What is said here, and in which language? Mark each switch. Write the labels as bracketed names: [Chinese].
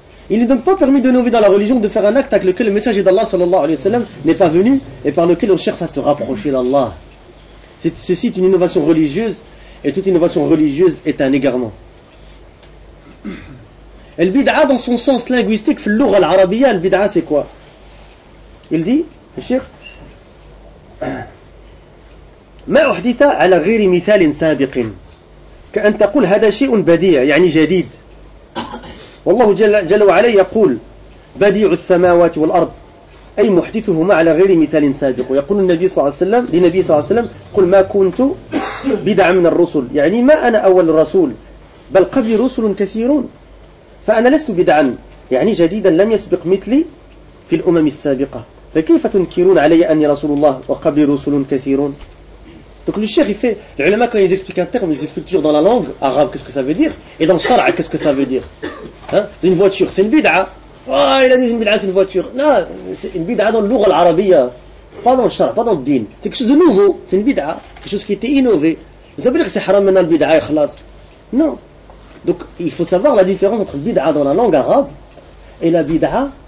[French] Il n'est donc pas permis de nous vivre dans la religion de faire un acte avec lequel le messager d'Allah sallallahu alayhi wa sallam n'est pas venu et par lequel on cherche à se rapprocher d'Allah. Ceci est une innovation religieuse et toute innovation religieuse est un égarement. El bid'a dans son sens linguistique, fil l'ugha l'arabiya, el bid'a c'est quoi? Il dit, le cheikh, [Arabic] ما أحدث على غير مثال سابق كأن تقول هذا شيء بديع يعني جديد والله جل وعلا يقول بديع السماوات والأرض أي محدثهما على غير مثال سابق ويقول النبي صلى الله عليه وسلم لنبي صلى الله عليه وسلم قل ما كنت بدعا من الرسل يعني ما أنا أول رسول بل قبلي رسل كثيرون فأنا لست بدعا يعني جديدا لم يسبق مثلي في الأمم السابقة فكيف تنكرون علي أني رسول الله وقبلي رسل كثيرون [French] Donc le cheikh, il fait, les ulama quand ils expliquent un terme, ils expliquent toujours dans la langue arabe qu'est-ce que ça veut dire, et dans le shara qu'est-ce que ça veut dire. Hein? Une voiture, c'est une bid'a. Oh, il a dit une bid'a, c'est une voiture. Non, c'est une bid'a dans l'ugha l'arabiya. Pas dans le shara, pas dans le din. C'est quelque chose de nouveau, c'est une bid'a. Quelque chose qui était innové. Ça veut dire que c'est haram maintenant le bid'a, ikhlas. Non. Donc il faut savoir la différence entre bid'a dans la langue arabe et la bid'a